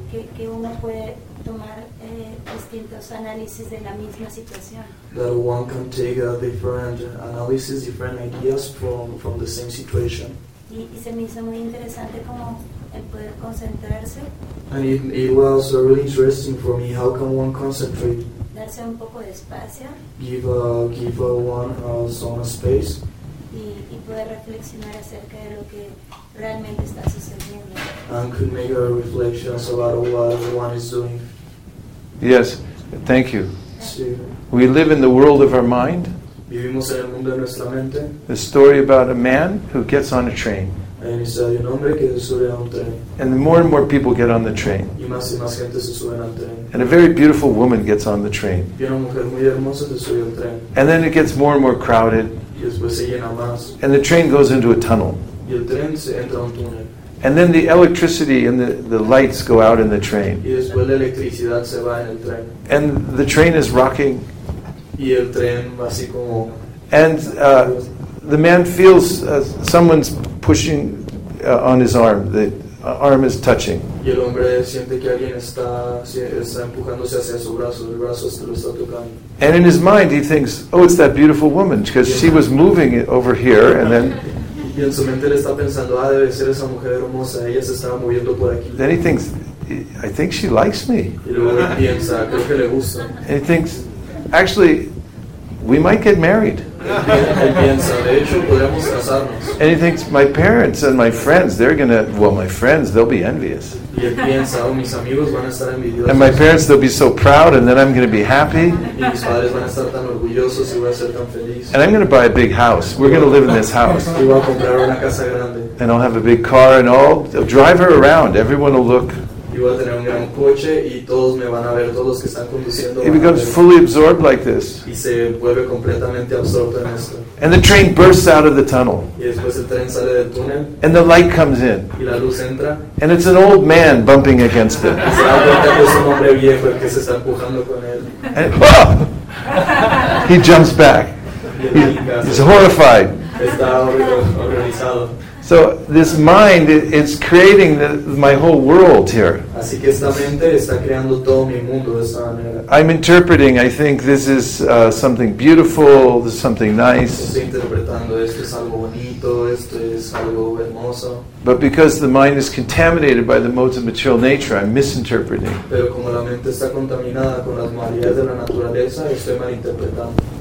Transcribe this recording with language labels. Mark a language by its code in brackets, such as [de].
[es] Que uno puede tomar distintos análisis de la misma situación. [en] That one can take a different analysis, different ideas from the same situation. [es] Y se me hizo muy interesante como el poder concentrarse. [en] And it was really interesting for me. How can one concentrate? [es] Darse un poco de espacio. [en] Give one some space. [es] Y poder reflexionar acerca de lo que realmente está sucediendo. [en] And could make a reflection about what one is doing. Yes, thank you. We live in the world of our mind. [es] Vivimos en el mundo de nuestra mente. [en] The story about a man who gets on a train. And the more and more people get on the train. [es] Y más gente se sube al tren. [en] And a very beautiful woman gets on the train. [es] Y una mujer muy hermosa se sube al tren. [en] And then it gets more and more crowded. [es] Y después se llena más. [en] And the train goes into a tunnel. [es] Y el tren se entra a un túnel. [en] And then the electricity and the lights go out in the train. [es] Y después la electricidad se va en el tren. [en] And the train is rocking. [es] Y el tren va así como. [en] And the man feels someone's pushing on his arm. The arm is touching. [es] Y el hombre siente que alguien está empujándose hacia su brazo. El brazo se lo está tocando. [en] And in his mind, he thinks, "Oh, it's that beautiful woman, because she was moving over here, and then." [es] Y en su mente él está pensando, ah, debe ser esa mujer hermosa, ella se estaba moviendo por aquí. [en] Then he thinks, I think she likes me. [es] Y luego él piensa, creo que le gusta. [en] And he thinks, actually, we might get married. [es] Él piensa, de hecho, podríamos casarnos. [en] And he thinks, my parents and my friends, they're going to, well, my friends, they'll be envious. [es] Y él piensa, oh, mis amigos van a estar envidiosos. [en] And my parents, they'll be so proud, and then I'm going to be happy. [es] Y mis padres van a estar tan orgullosos y voy a ser tan feliz. [en] And I'm going to buy a big house. We're going to live in this house. [es] Y voy a comprar una casa grande. [en] And I'll have a big car, and I'll drive her around. Everyone will look. [es] Y voy a tener un gran coche, y todos me van a ver, todos los que están conduciendo. [en] He becomes fully absorbed like this. [es] Y se vuelve completamente absorto en esto. [en] And the train bursts out of the tunnel. [es] Y después el tren sale del túnel. [en] And the light comes in. [es] Y la luz entra. [en] And it's an old man bumping against it. [es] Y se da cuenta que es un hombre viejo el que se está empujando con él. [en] And, oh! He jumps back. He's horrified. [es] Está horrorizado. [en] So this mind is creating my whole world here. [es] Así que esta mente está creando todo mi mundo de esta manera. [en] I'm interpreting, I think this is something beautiful, this is something nice. [es] Estoy interpretando, esto es algo bonito, esto es algo hermoso. [en] But because the mind is contaminated by the modes of material nature, I'm misinterpreting. [es] Pero como la mente está contaminada con las modalidades de la naturaleza, estoy malinterpretando.